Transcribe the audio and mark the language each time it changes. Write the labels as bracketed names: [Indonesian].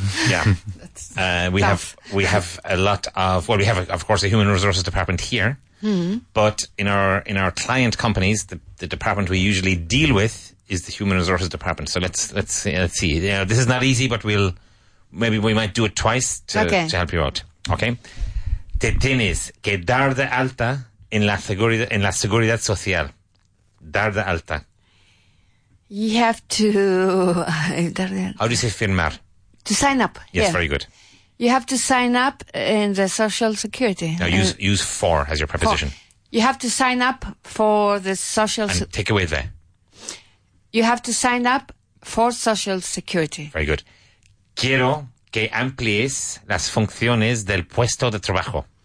[English] Yeah. We have, of course, a human resources department here. Mm-hmm. But in our client companies, the department we usually deal with is the human resources department. So let's see. You know, this is not easy, but we might do it twice to help you out. Okay. [Spanish] Te tienes que dar de alta en la seguridad social. Dar de alta. [English] You have to... How do you say firmar? To sign up. Yes, yeah. Very good. You have to sign up in the Social Security. Now use for as your preposition. You have to sign up for the Social... And take away the. You have to sign up for Social Security. Very good. [Spanish] Quiero que amplíes las funciones del puesto de trabajo.